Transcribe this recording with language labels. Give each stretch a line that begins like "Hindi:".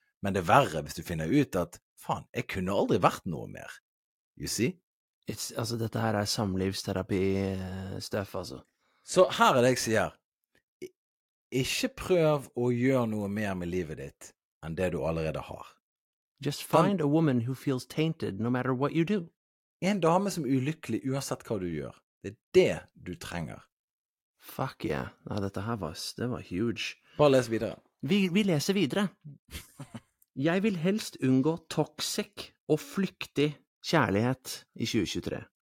Norwegian: Men det verre hvis du finner ut at faen, jeg kunne aldri vært noe mer.
English: You see?
Norwegian: Altså, dette her samlivsterapi stuff, altså. Så her det jeg sier. Ikke prøv å gjøre noe mer med livet ditt enn det du allerede har.
English: Just find a woman who feels tainted no matter what you do.
Norwegian: En dame som ulykkelig uansett hva du gjør. Det det du trenger.
English: Fuck yeah.
Norwegian: Nei, dette her var huge. Bare les videre. Vi leser videre. Jeg vil helst unngå toxic og flyktig kjærlighet i 2023.